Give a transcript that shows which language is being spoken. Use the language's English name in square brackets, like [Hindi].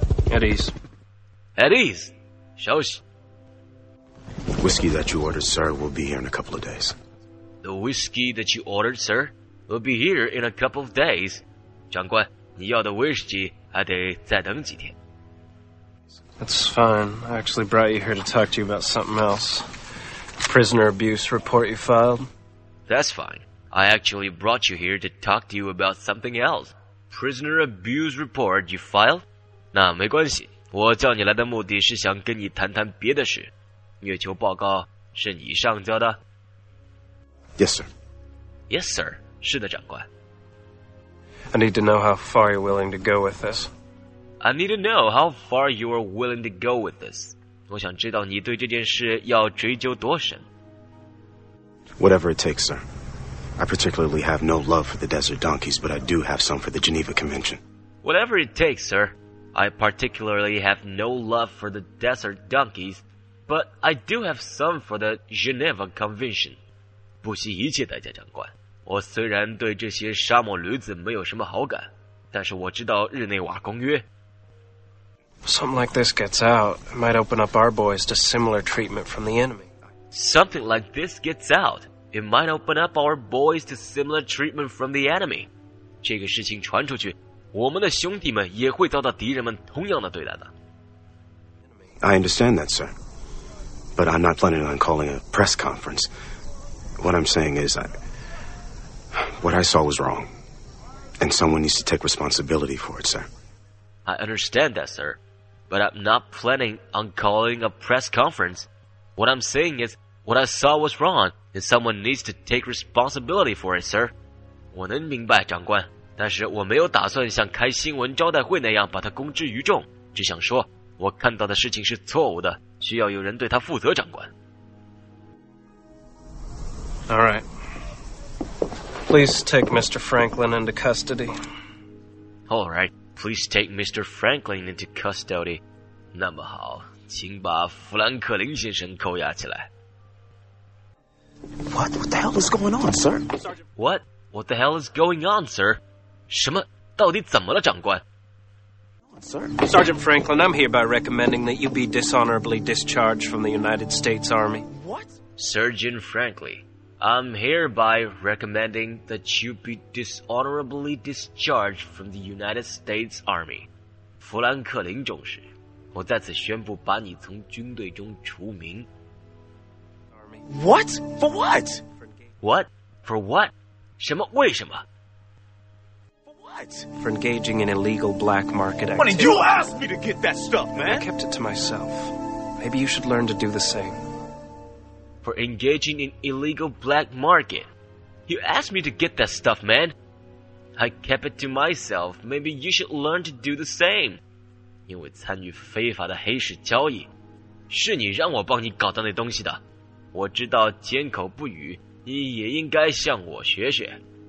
[English] At ease. At ease. [Chinese] 消息。 [English] Whiskey that you ordered, sir, will be here in a couple of days. The whiskey that you ordered, sir, will be here in a couple of days. [Chinese] 长官，你要的威士忌还得再等几天。 [English] That's fine. I actually brought you here to talk to you about something else. Prisoner abuse report you filed. That's fine. I actually brought you here to talk to you about something else. Prisoner abuse report you filed? [Chinese] 那没关系。我叫你来的目的是想跟你谈谈别的事。虐囚报告是你上交的 [English] ？Yes, sir. Yes, sir. [Chinese] 是的，长官。 [English] I need to know how far you're willing to go with this. I need to know how far you are willing to go with this. [Chinese] 我想知道你对这件事要追究多深。 [English] Whatever it takes, sir. I particularly have no love for the desert donkeys, but I do have some for the Geneva Convention. Whatever it takes, sir. I particularly have no love for the desert donkeys, but I do have some for the Geneva Convention. [Chinese] 不惜一切代价，长官。我虽然对这些沙漠驴子没有什么好感，但是我知道日内瓦公约。 [English] Something like this gets out, it might open up our boys to similar treatment from the enemy. Something like this gets out, it might open up our boys to similar treatment from the enemy. [Chinese] 这个事情传出去。我们的兄弟们也会遭到敌人们同样的对待的。 [English] I understand that, sir. But I'm not planning on calling a press conference. What I'm saying is, what I saw was wrong. And someone needs to take responsibility for it, sir. I understand that, sir. But I'm not planning on calling a press conference. What I'm saying is, what I saw was wrong. And someone needs to take responsibility for it, sir. [Chinese] 我能明白，长官。但是我没有打算像开新闻招待会那样把它公之于众，只想说我看到的事情是错误的，需要有人对他负责，长官。 [English] All right. Please take Mr. Franklin into custody. All right. Please take Mr. Franklin into custody. [Chinese] 那么好，请把富兰克林先生扣押起来。 [English] What the hell is going on, sir? What the hell is going on, sir? [Chinese] 什么？到底怎么了，长官 [English] ？Sergeant Franklin, I'm hereby recommending that you be dishonorably discharged from the United States Army. What? Sergeant Franklin, I'm hereby recommending that you be dishonorably discharged from the United States Army. [Chinese] 富兰克林中士，我在此宣布把你从军队中除名。 [English] What? For what? What? For what? [Chinese] 什么？为什么？ [English] what? For engaging in illegal black market activity. Money, you asked me to get that stuff, man! And I kept it to myself. Maybe you should learn to do the same. For engaging in illegal black market? You asked me to get that stuff, man! I kept it to myself. Maybe you should learn to do the same. [Chinese] 因为参与非法的黑市交易，是你让我帮你搞到那东西的。我知道缄口不语，你也应该向我学学。